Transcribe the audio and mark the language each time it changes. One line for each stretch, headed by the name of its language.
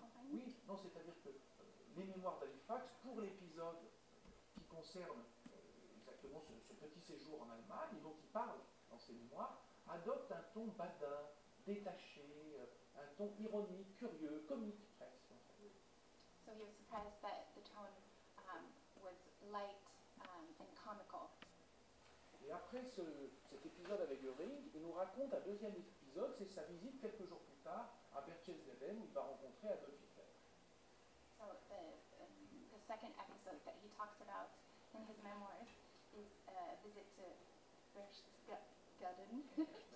French: Oui, non, c'est-à-dire que les mémoires d'Halifax, pour l'épisode qui concerne exactement ce petit séjour en Allemagne, et dont il parle dans ses mémoires, adopte un ton badin, détaché, un ton ironique, curieux, comique presque.
English: So he was surprised that the tone was light and comical.
French: Et après cet épisode avec Göring, il nous raconte un deuxième épisode, c'est sa visite quelques jours plus tard à Berchtesgaden où il va rencontrer Adolf Hitler.
English: So the second episode that he talks about in his memoirs is a visit to Berchtesgaden.